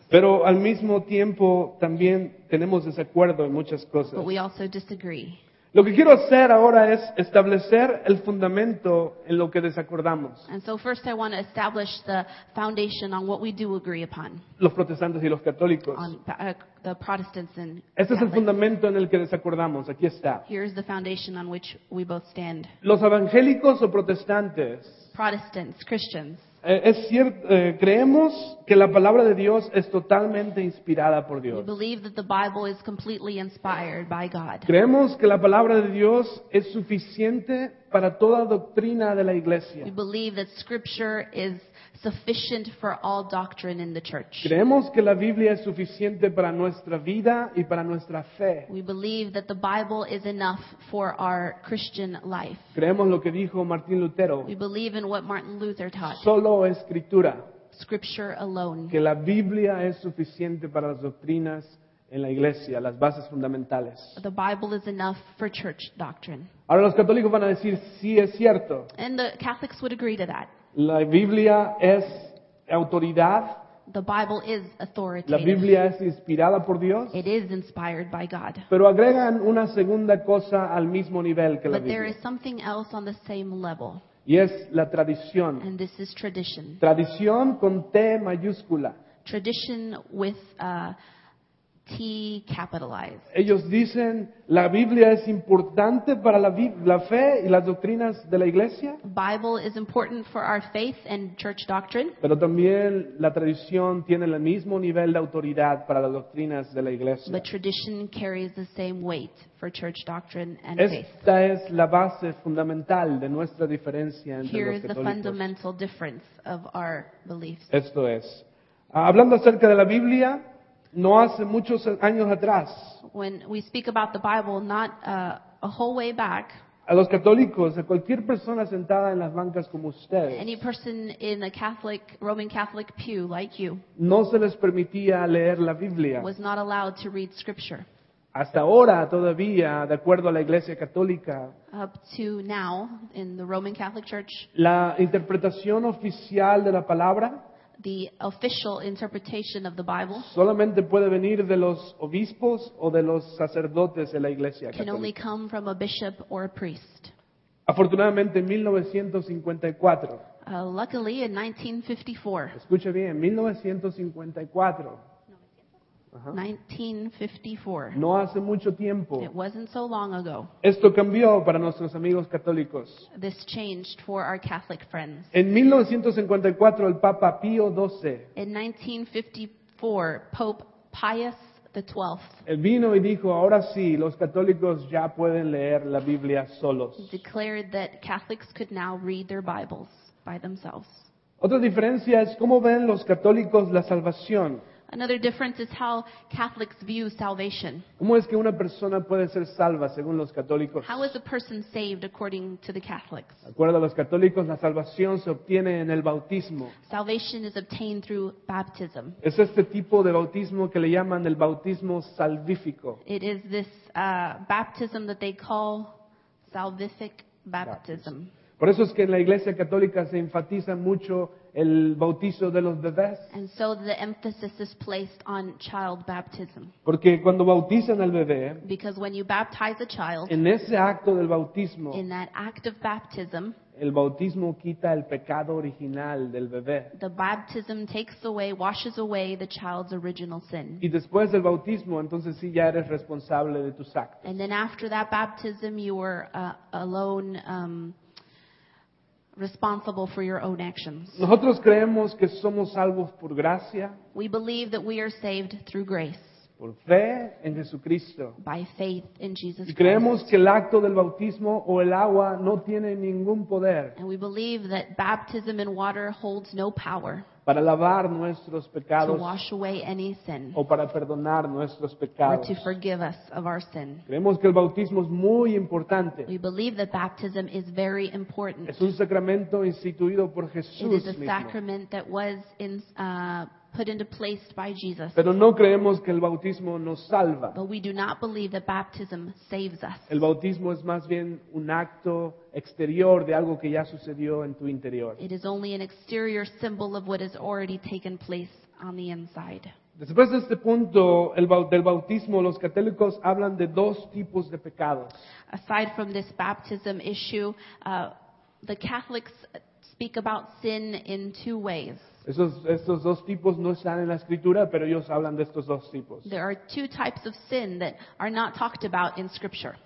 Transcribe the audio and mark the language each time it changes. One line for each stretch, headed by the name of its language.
Spanish: Pero al mismo tiempo también tenemos desacuerdo en muchas cosas.
English: But we also disagree.
Spanish: Lo que quiero hacer ahora es establecer el fundamento en lo que desacordamos.
English: And so first I want to establish the foundation on what we do agree upon.
Spanish: Los protestantes y los católicos.
English: The Protestants and Catholics.
Spanish: Este es el fundamento en el que desacordamos. Aquí está.
English: Here is the foundation on which we both stand.
Spanish: Los evangélicos o protestantes.
English: Protestants, Christians.
Spanish: Es cierto, creemos que la palabra de Dios es totalmente inspirada por Dios.
English: We believe that the Bible is completely inspired by God.
Spanish: Creemos que la palabra de Dios es suficiente para toda doctrina de la iglesia.
English: We believe that Scripture is sufficient for all doctrine in the church.
Spanish: Creemos que la Biblia es suficiente para nuestra vida y para nuestra fe.
English: We believe that the Bible is enough for our Christian life.
Spanish: Creemos lo que dijo Martín Lutero.
English: We believe in what Martin Luther taught.
Spanish: Solo Escritura.
English: Scripture alone.
Spanish: Que la Biblia es suficiente para las doctrinas en la iglesia, las bases fundamentales.
English: The Bible is enough for church doctrine.
Spanish: Ahora los católicos van a decir, sí, es cierto.
English: And the Catholics would agree to that.
Spanish: La Biblia es autoridad.
English: The Bible is authoritative.
Spanish: La Biblia es inspirada por Dios.
English: It is inspired by God.
Spanish: Pero agregan una segunda cosa al mismo nivel que
English: But
Spanish: la Biblia.
English: But there is something else on the same level.
Spanish: Y es la tradición.
English: And this is tradition.
Spanish: Tradición con T mayúscula.
English: Tradition with T capitalized.
Spanish: Ellos dicen la Biblia es importante para la fe y las doctrinas de la iglesia.
English: Bible is important for our faith and church doctrine.
Spanish: Pero también la tradición tiene el mismo nivel de autoridad para las doctrinas de la iglesia.
English: But tradition carries the same weight for church doctrine and faith.
Spanish: Esta es la base fundamental de nuestra diferencia entre los católicos.
English: Here is the fundamental difference of our beliefs.
Spanish: Esto es. Hablando acerca de la Biblia, no hace muchos años atrás,
English: when we speak about the Bible, not a whole way back,
Spanish: a los católicos, a cualquier persona sentada en las bancas como usted,
English: any person in a Catholic, Roman Catholic pew like you,
Spanish: no se les permitía leer la Biblia,
English: was not allowed to read Scripture.
Spanish: Hasta ahora, todavía, de acuerdo a la Iglesia Católica,
English: up to now, in the Roman Catholic Church,
Spanish: la interpretación oficial de la Palabra,
English: the official interpretation of the Bible,
Spanish: solamente puede venir de los obispos o de los sacerdotes de la Iglesia Católica.
English: Can only come from a bishop or a priest.
Spanish: Afortunadamente, en 1954.
English: Luckily, in 1954.
Spanish: Escuche bien, 1954.
English: 1954.
Spanish: No hace mucho tiempo.
English: It wasn't so long ago.
Spanish: Esto cambió para nuestros amigos católicos.
English: This changed for our Catholic friends.
Spanish: En 1954 el Papa Pío XII.
English: In 1954, Pope Pius XII.
Spanish: Él vino y dijo, ahora sí, los católicos ya pueden leer la Biblia solos.
English: He declared that Catholics could now read their Bibles by themselves.
Spanish: Otra diferencia es cómo ven los católicos la salvación.
English: Another difference is how Catholics view salvation.
Spanish: ¿Cómo es que una persona puede ser salva según los católicos?
English: How is a person saved according to the Catholics?
Spanish: De acuerdo a los católicos, la salvación se obtiene en el bautismo.
English: Salvation is obtained through baptism.
Spanish: Es este tipo de bautismo que le llaman el bautismo salvífico.
English: It is this baptism that they call salvific baptism.
Spanish: Por eso es que en la Iglesia Católica se enfatiza mucho el bautizo de los bebés.
English: And so the emphasis is placed on child baptism.
Spanish: Porque cuando bautizan al bebé,
English: because when you baptize a child,
Spanish: en ese acto del bautismo,
English: in that act of baptism,
Spanish: el bautismo quita el pecado original del bebé.
English: The baptism takes away, washes away the child's original sin.
Spanish: Y después del bautismo, entonces sí ya eres responsable de tus actos.
English: And then after that baptism, you are alone responsible for your own actions.
Spanish: Nosotros creemos que somos salvos por gracia.
English: We believe that we are saved through grace.
Spanish: Por fe en Jesucristo.
English: By faith in Jesus Christ.
Spanish: Y creemos que el acto del bautismo o el agua no tiene ningún poder.
English: And we believe that baptism in water holds no power.
Spanish: Para lavar nuestros pecados.
English: To wash away any sin.
Spanish: O para perdonar nuestros pecados.
English: Or to forgive us of our sin.
Spanish: Creemos que el bautismo es muy importante.
English: We believe that baptism is very important.
Spanish: Es un sacramento instituido por Jesús mismo.
English: It is a sacrament that was put into place by Jesus.
Spanish: Pero no creemos que el bautismo nos salva.
English: But we do not believe that baptism saves us.
Spanish: El bautismo es más bien un acto exterior de algo que ya sucedió en tu interior.
English: It is only an exterior symbol of what has already taken place on the inside.
Spanish: Después de este punto del bautismo, los católicos hablan de dos tipos de pecados.
English: Aside from this baptism issue, the Catholics speak about sin in two ways.
Spanish: Estos dos tipos no están en la Escritura, pero ellos hablan de estos dos tipos.
English: There are two types of sin that are not talked about in Scripture.